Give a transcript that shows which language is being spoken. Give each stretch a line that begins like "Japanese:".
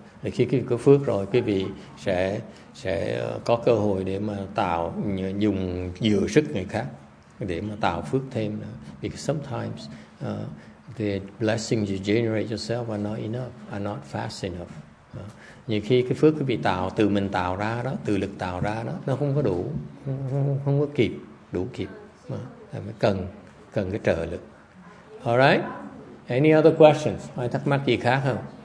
Vietnamese: Khi quý vị có phước rồi, quý vị sẽ có cơ hội để mà tạo dùng dừa sức người khác để mà tạo phước thêm.
English: Because sometimes the blessings you generate yourself are not enough, are not fast enough.
Vietnamese: Nhiều khi cái phước quý vị tạo, từ mình tạo ra đó, từ lực tạo ra đó, nó không có đủ, không có kịp, đủ kịp. Mà cần cái trợ lực.
English: Alright? Any other questions?
Vietnamese: Ai thắc mắc gì khác không?